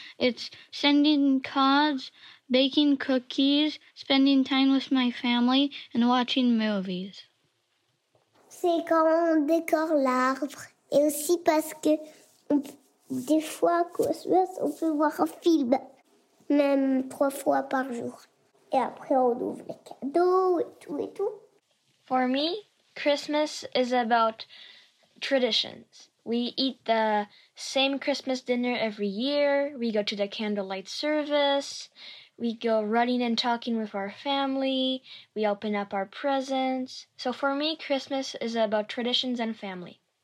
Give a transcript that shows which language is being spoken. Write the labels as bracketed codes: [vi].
[en] It's sending cards, baking cookies, spending time with my family, and watching movies. [fr] C'est quand on décore l'arbre, et aussi parce que... Des fois, Christmas, on peut voir un film, même 3 fois par jour. Et après, on ouvre les cadeaux et tout et tout. [en] For me, Christmas is about traditions. We eat the same Christmas dinner every year. We go to the candlelight service. We go running and talking with our family. We open up our presents. So for me, Christmas is about traditions and family.